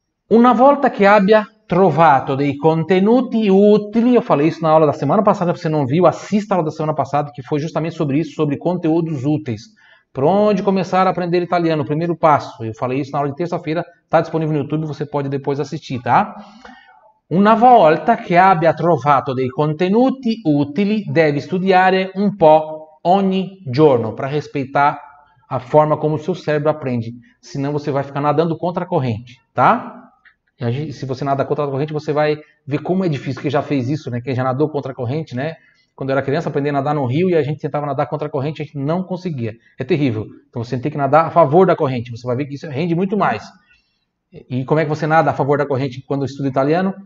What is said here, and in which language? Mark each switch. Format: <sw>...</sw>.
<it>Una volta que abbia trovato dei contenuti utili,</it> <pt>eu falei isso na aula da semana passada, se você não viu, assista a aula da semana passada, que foi justamente sobre isso, sobre conteúdos úteis. Para onde começar a aprender italiano? O primeiro passo. Eu falei isso na aula de terça-feira. Está disponível no YouTube. Você pode depois assistir, tá?</pt> <it>Una volta che abbia trovato dei contenuti utili, deve studiare un po' ogni giorno.</it> <pt>Para respeitar a forma como o seu cérebro aprende. Senão você vai ficar nadando contra a corrente, tá? Se você nada contra a corrente, você vai ver como é difícil. Quem já fez isso, né? Quem já nadou contra a corrente, né? Quando eu era criança, aprendi a nadar no rio e a gente tentava nadar contra a corrente, a gente não conseguia. É terrível. Então você tem que nadar a favor da corrente. Você vai ver que isso rende muito mais. E como é que você nada a favor da corrente quando estuda italiano?</pt>